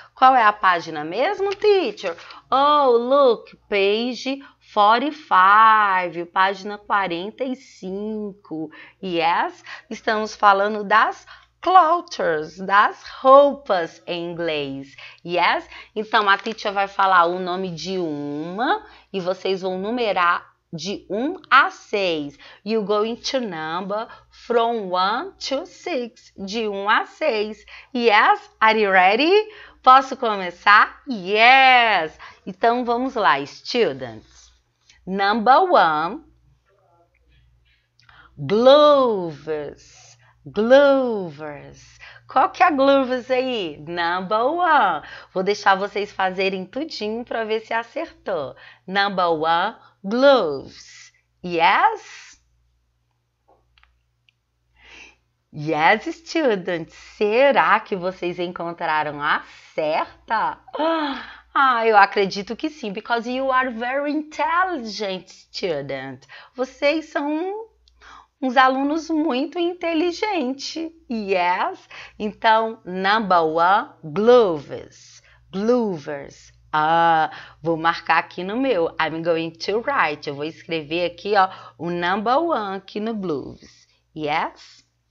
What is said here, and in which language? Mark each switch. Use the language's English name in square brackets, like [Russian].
[Portuguese] Qual é a página mesmo, teacher? [English] Oh, look, page 45, [Portuguese] página 45. Yes, estamos falando das clothes, das roupas em inglês. Yes? Então a teacher vai falar o nome de uma e vocês vão numerar de 1 a 6. [English] You going to number from 1 to 6. [Portuguese] De 1 a 6. [English] Yes? Are you ready? [Portuguese] Posso começar? Yes! Então vamos lá, students. [English] Number one, gloves, gloves. [Portuguese] Qual que é a gloves aí? Number one. Vou deixar vocês fazerem tudinho para ver se acertou. [English] Number one, gloves. Yes? Yes, students. [Portuguese] Será que vocês encontraram a certa? Ah, eu acredito que sim, [English] because you are very intelligent, student. [Portuguese] Vocês são uns alunos muito inteligentes. [English] Yes? [Portuguese] Então, [English] number one, gloves. [Portuguese] Gloves. Ah, vou marcar aqui no meu. [English] I'm going to write. [Portuguese] Eu vou escrever aqui, ó, o [English] number one [Portuguese] aqui no gloves. Yes?